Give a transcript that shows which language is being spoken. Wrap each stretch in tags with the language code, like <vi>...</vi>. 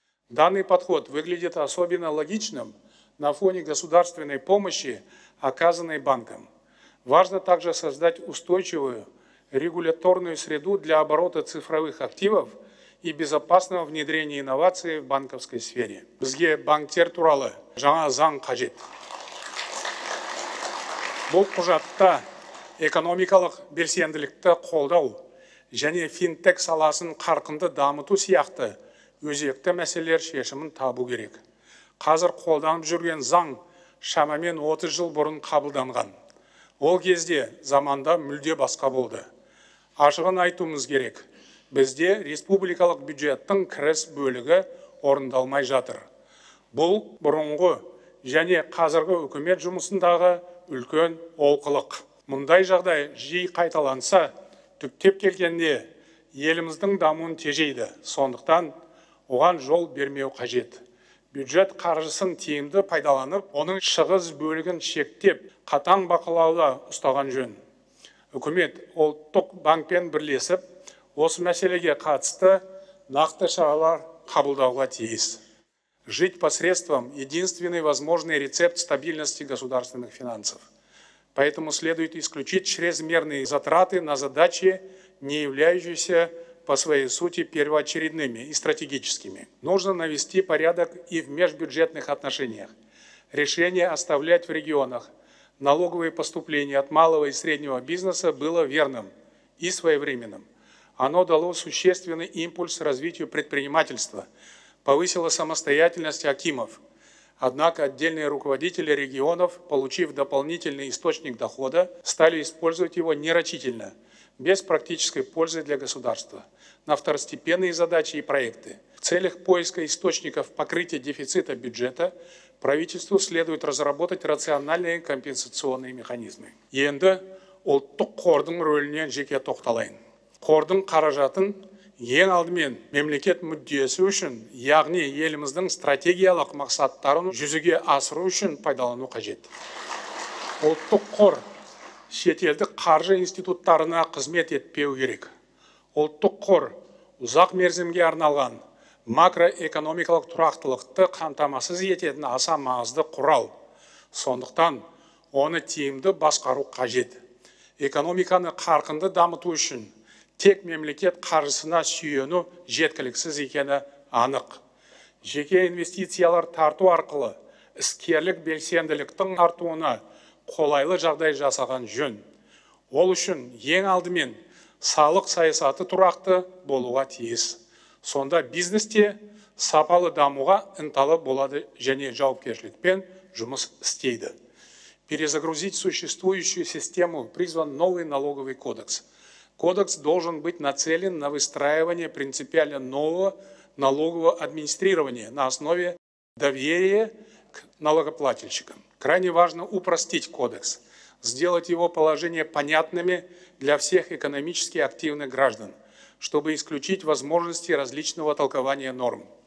<ru>Данный подход выглядит особенно логичным на фоне государственной помощи, оказанной банкам. Важно также создать устойчивую регуляторную среду для оборота цифровых активов и безопасного внедрения инноваций в банковской сфере.</ru> <kk>Бізге банктер туралы жаңа заң қажет. Бұл құжатта экономикалық белсенділікті қолдау және финтек саласын қарқынды дамыту сияқты өзекті мәселелер шешімін табу керек. Қазір қолданып жүрген заң шамамен 30 жыл бұрын қабылданған. Ол кезде заманда мүлде басқа болды. Ашығын айтуымыз керек, бізде республикалық бюджеттің кіріс бөлігі орындалмай жатыр. Бұл бұрынғы және қазіргі үкімет жұмысындағы үлкен олқылық. Мұндай жағдай жиі қайталанса, түптеп келгенде еліміздің дамуын тежейді, сондықтан оған жол бермеу қажет. Бюджет қаржысын тиімді пайдаланып, оның шығыс бөлігін шектеп, қатаң бақылауда ұстаған жөн. Үкімет ұлттық банкпен бірлесіп, осы мәселеге қатысты нақты шаралар қабылдауға тиіс.</kk> <ru>Жить по средствам – единственный возможный рецепт стабильности государственных финансов. Поэтому следует исключить чрезмерные затраты на задачи, не являющиеся по своей сути первоочередными и стратегическими. Нужно навести порядок и в межбюджетных отношениях. Решение оставлять в регионах налоговые поступления от малого и среднего бизнеса было верным и своевременным. Оно дало существенный импульс развитию предпринимательства, повысило самостоятельность акимов. Однако отдельные руководители регионов, получив дополнительный источник дохода, стали использовать его нерочительно, без практической пользы для государства, на второстепенные задачи и проекты. В целях поиска источников покрытия дефицита бюджета правительству следует разработать рациональные компенсационные механизмы.</ru> <kk>Енді ұлттық қордың рөліне жеке тоқталайын. Қордың қаражатын ең алдымен мемлекет мүддесі үшін, яғни еліміздің стратегиялық мақсаттарын жүзеге асыру үшін пайдалану қажет. Ұлттық қор шетелдік қаржы институттарына қызмет етпеу керек. Ұлттық қор ұзақ мерзімге арналған макроэкономикалық тұрақтылықты қамтамасыз ететін аса маңызды құрал. Сондықтан оны тиімді басқару қажет. Экономиканы қарқынды дамыту үшін тек мемлекет қаржысына сүйену жеткіліксіз екені анық. Жеке инвестициялар тарту арқылы іскерлік белсенділіктің артуына қолайлы жағдай жасаған жөн. Ол үшін ең алдымен салық саясаты тұрақты болуға тиіс. Сонда бизнесте сапалы дамуға ынталы болады және жауапкершілікпен жұмыс істейді.</kk> <ru>Перезагрузить существующую систему призван новый налоговый кодекс. Кодекс должен быть нацелен на выстраивание принципиально нового налогового администрирования на основе доверия к налогоплательщикам. Крайне важно упростить кодекс, сделать его положения понятными для всех экономически активных граждан, чтобы исключить возможности различного толкования норм.</ru>